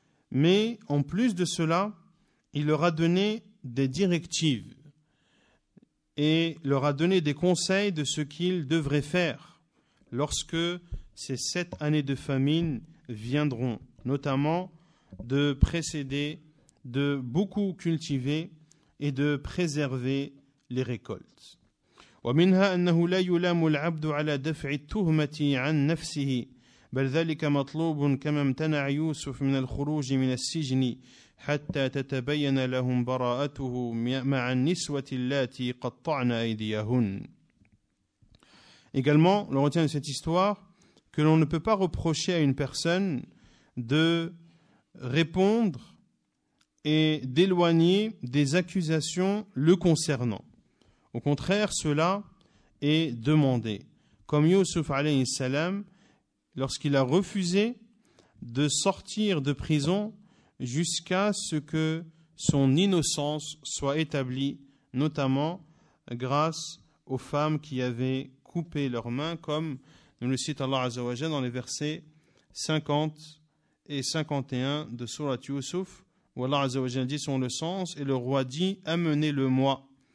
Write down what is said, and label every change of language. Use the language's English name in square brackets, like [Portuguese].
[French] Mais en plus de cela, il leur a donné des directives et leur a donné des conseils de ce qu'ils devraient faire lorsque ces 7 années de famine viendront, notamment de précéder, de beaucoup cultiver et de préserver les récoltes. [Arabic] ومنها أنه لا يلام العبد على دفع التهمة عن نفسه بل ذلك مطلوب كما امتنع يوسف من الخروج من السجن حتى تتبين لهم براءته مع النسوة اللاتي قطعن أيديهن. [French] Également, on retient de cette histoire que l'on ne peut pas reprocher à une personne de répondre et d'éloigner des accusations le concernant. Au contraire, cela est demandé. Comme Yusuf alayhi salam, lorsqu'il a refusé de sortir de prison jusqu'à ce que son innocence soit établie, notamment grâce aux femmes qui avaient couper leurs mains, comme nous le cite Allah Azza wa Jalla dans les versets 50 et 51 de Surat Yusuf, où Allah Azza wa Jalla dit son le sens, et le roi dit « Amenez-le-moi ».